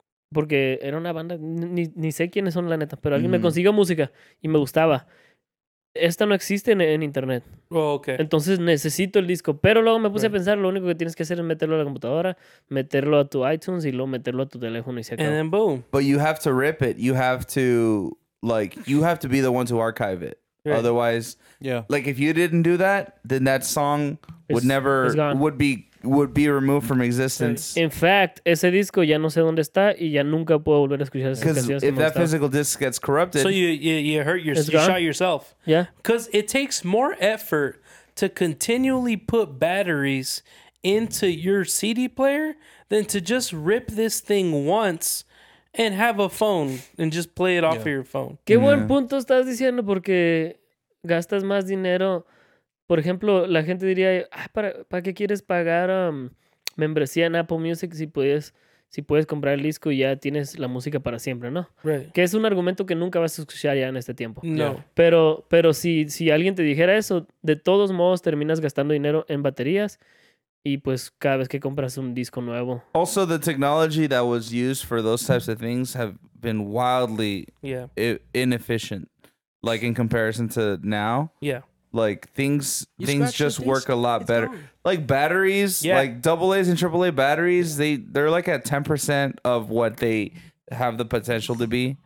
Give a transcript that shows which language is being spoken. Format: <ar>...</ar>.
<es>Porque era una banda, ni sé quiénes son la neta, pero alguien me consiguió música y me gustaba. Esta no existe en internet.</es> <en>Oh, okay.</en> <es>Entonces necesito el disco. Pero luego me puse a pensar, lo único que tienes que hacer es meterlo a la computadora, meterlo a tu iTunes y luego meterlo a tu teléfono y se acabó.</es> <en>And then boom. But you have to rip it. You have to, like, you have to be the one to archive it. Right. Otherwise, yeah. Like, if you didn't do that, then that song would be removed from existence. In fact,</en> <es>ese disco ya no sé dónde está y ya nunca puedo volver a escuchar esas canciones.</es> <en>Because if that physical disc gets corrupted, so you hurt yourself, you shot yourself. Yeah. Because it takes more effort to continually put batteries into your CD player than to just rip this thing once and have a phone and just play it off of your phone.</en> <es>Qué buen punto estás diciendo porque gastas más dinero. Por ejemplo, la gente diría, ¿para qué quieres pagar membresía en Apple Music si puedes comprar el disco y ya tienes la música para siempre, ¿no?</es> <en>Right.</en> <es>Que es un argumento que nunca vas a escuchar ya en este tiempo. No. Pero si alguien te dijera eso, de todos modos terminas gastando dinero en baterías y pues cada vez que compras un disco nuevo.</es> <en>Also, the technology that was used for those types of things have been wildly inefficient, like in comparison to now. Yeah. Like things just work a lot better. Gone. Like batteries, like AA's and AAA batteries, they're like at 10% of what they have the potential to be.</en>